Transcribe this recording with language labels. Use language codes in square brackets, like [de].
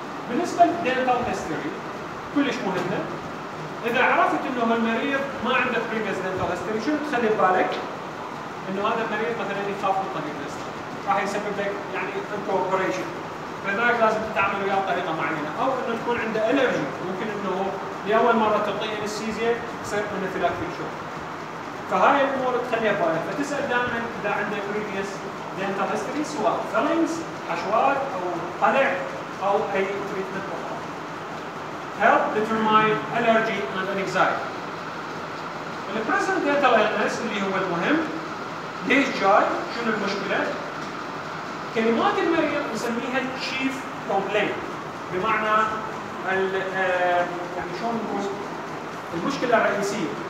[ar] بالنسبه للدنتال هيستوري كلش مهمه. اذا عرفت انه المريض ما عنده بريفيس دنتال هيستوري شنو تخلي ببالك؟ انه هذا المريض مثلا يخاف من طريق الاسنان راح يسبب لك يعني انكوبريشن فلذلك لازم تتعامل وياه بطريقه معينه او انه تكون عنده الرجي ممكن انه لاول مره تعطيه انستيزيا يصير انفلاكتيك شوك. فهاي الامور تخليها ببالك فتسال دائما اذا عنده بريفيس دنتال هيستوري سواء فيلنجز حشوات او قلع او اي تريتمنت اخرى. [en] Help determine allergy and anxiety. The present dental illness [ar] اللي هو المهم ليش جاي؟ شنو المشكلة؟ كلمات المريض نسميها [en] chief complaint [ar] بمعنى ال يعني شلون المشكلة الرئيسية.